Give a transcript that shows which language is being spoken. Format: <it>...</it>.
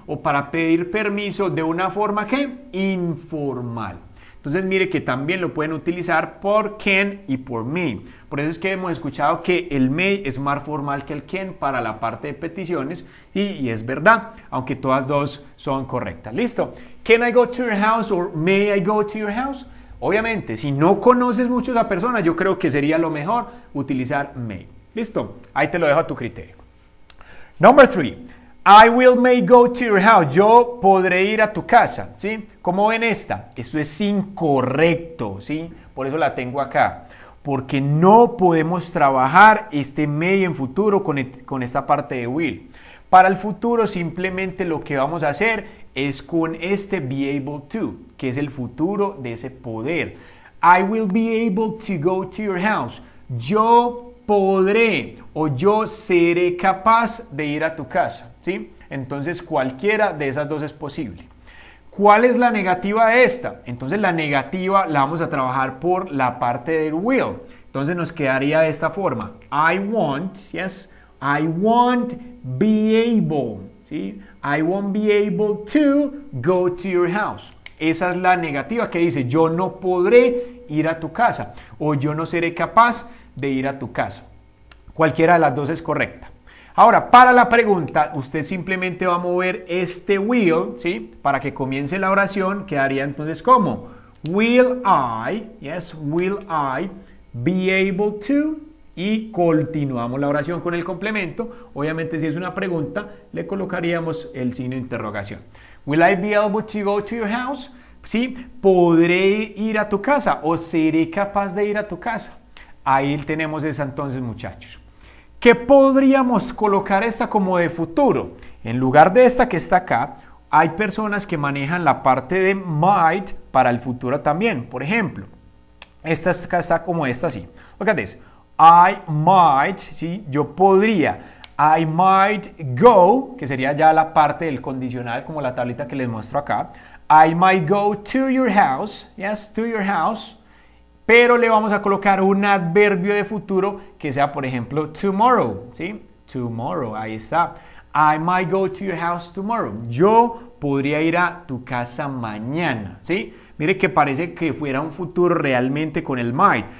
<es>O para pedir permiso de una forma, ¿qué? Informal. Entonces, mire que también lo pueden utilizar por can y por may. Por eso es que hemos escuchado que el may es más formal que el can para la parte de peticiones. Y es verdad, aunque todas dos son correctas. ¿Listo?</es> <en>Can I go to your house or may I go to your house?</en> <es>Obviamente, si no conoces mucho a esa persona, yo creo que sería lo mejor utilizar may. ¿Listo? Ahí te lo dejo a tu criterio.</es> <en>Number three, I will may go to your house.</en> <es>Yo podré ir a tu casa, ¿sí? ¿Cómo ven esta? Esto es incorrecto, ¿sí? Por eso la tengo acá. Porque no podemos trabajar este may en futuro con esta parte de will. Para el futuro, simplemente lo que vamos a hacer es con este be able to, que es el futuro de ese poder.</es> <en>I will be able to go to your house.</en> <es>Yo podré o yo seré capaz de ir a tu casa, ¿sí? Entonces, cualquiera de esas dos es posible. ¿Cuál es la negativa de esta? Entonces, la negativa la vamos a trabajar por la parte del will. Entonces, nos quedaría de esta forma.</es> <en>I won't, yes, I won't be able,</en> <es>¿sí?</es> <en>I won't be able to go to your house.</en> <es>Esa es la negativa que dice, yo no podré ir a tu casa o yo no seré capaz de ir a tu casa. Cualquiera de las dos es correcta. Ahora, para la pregunta, usted simplemente va a mover este will, ¿sí? Para que comience la oración, quedaría entonces como</es> <en>will I, yes, will I be able to,</en> <es>y continuamos la oración con el complemento. Obviamente, si es una pregunta, le colocaríamos el signo de interrogación.</es> <en>Will I be able to go to your house?</en> <es>¿Sí? ¿Podré ir a tu casa o seré capaz de ir a tu casa? Ahí tenemos esa entonces, muchachos. ¿Qué podríamos colocar esta como de futuro? En lugar de esta que está acá, hay personas que manejan la parte de might para el futuro también. Por ejemplo, esta está como esta, sí. Fíjate,</es> <en>I might,</en> <es>sí, yo podría.</es> <en>I might go,</en> <es>que sería ya la parte del condicional, como la tablita que les muestro acá.</es> <en>I might go to your house, yes, to your house.</en> <es>Pero le vamos a colocar un adverbio de futuro que sea, por ejemplo, tomorrow, ¿sí?</es> <en>Tomorrow,</en> <es>ahí está.</es> <en>I might go to your house tomorrow.</en> <es>Yo podría ir a tu casa mañana, ¿sí? Mire que parece que fuera un futuro realmente con el might.</es>